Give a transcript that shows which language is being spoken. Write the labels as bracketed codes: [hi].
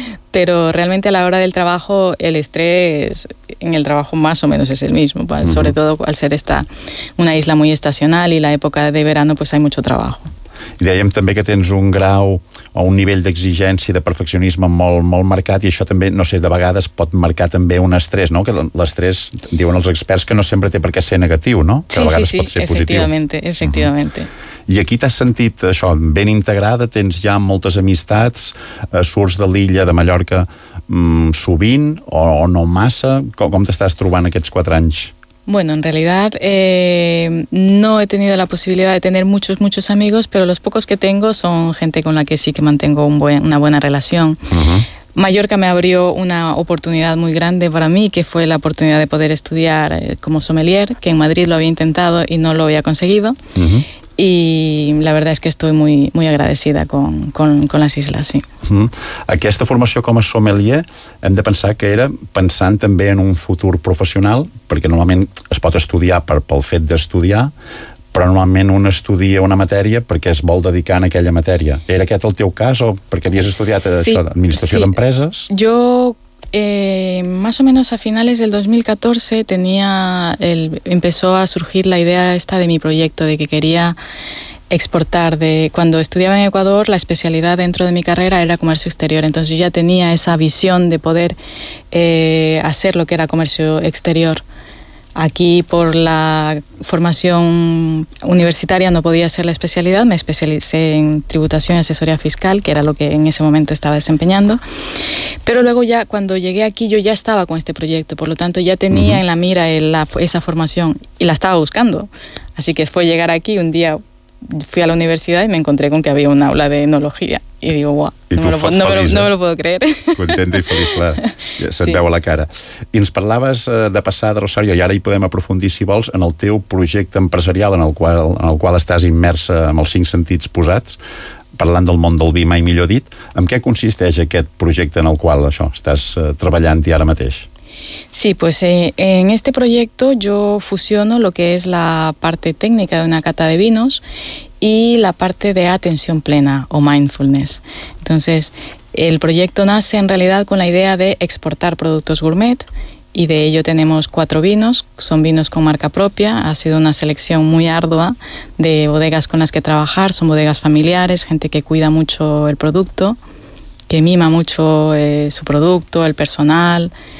[es] Pero realmente a la hora del trabajo el estrés en el trabajo más o menos es el mismo. Sobre todo al ser una isla muy estacional y la época de verano pues hay mucho trabajo. [ca] I dèiem també que tens un grau o un nivell d'exigència, de perfeccionisme molt, molt marcat, i això també, no sé, de vegades pot marcar també un estrès, no? Que l'estrès, diuen els experts, que no sempre té per què ser negatiu, no? Sí, que a vegades pot ser positiu. Efectivamente. I aquí t'has sentit això, ben integrada, tens ja moltes amistats, surts de l'illa de Mallorca sovint o no massa? Com t'estàs trobant aquests 4 anys? [es] Bueno, en realidad no he tenido la posibilidad de tener muchos, muchos amigos, pero los pocos que tengo son gente con la que sí que mantengo una buena relación. Mallorca me abrió una oportunidad muy grande para mí, que fue la oportunidad de poder estudiar como sommelier, que en Madrid lo había intentado y no lo había conseguido. Y la verdad es que estoy muy, muy agradecida con las islas, sí. [ca] Aquesta formació com a sommelier hem de pensar que era pensant també en un futur professional, perquè normalment es pot estudiar pel fet d'estudiar, però normalment un estudia una matèria perquè es vol dedicar en aquella matèria. Era aquest el teu cas o perquè havies estudiat això, administració d'empreses? Jo... [es] más o menos a finales del 2014 empezó a surgir la idea esta de mi proyecto, de que quería exportar. Cuando estudiaba en Ecuador, la especialidad dentro de mi carrera era comercio exterior, entonces yo ya tenía esa visión de poder hacer lo que era comercio exterior. Aquí, por la formación universitaria, no podía ser la especialidad. Me especialicé en tributación y asesoría fiscal, que era lo que en ese momento estaba desempeñando. Pero luego ya, cuando llegué aquí, yo ya estaba con este proyecto. Por lo tanto, ya tenía en la mira esa formación y la estaba buscando. Así que fue llegar aquí. Un día fui a la universidad y me encontré con que había un aula de enología. Y digo, guau, no me lo puedo creer. [ca] Contenta y feliz, se't veu a la cara. I ens parlaves de passada, Rosario, i ara hi podem aprofundir, si vols, en el teu projecte empresarial en el qual estàs immersa amb els 5 sentits posats, parlant del món del vi, mai millor dit. En què consisteix aquest projecte en el qual estàs treballant i ara mateix? [es] Sí, pues en este proyecto yo fusiono lo que es la parte técnica de una cata de vinos y la parte de atención plena o mindfulness. Entonces, el proyecto nace en realidad con la idea de exportar productos gourmet y de ello tenemos 4 vinos, son vinos con marca propia, ha sido una selección muy ardua de bodegas con las que trabajar, son bodegas familiares, gente que cuida mucho el producto, que mima mucho su producto, el personal...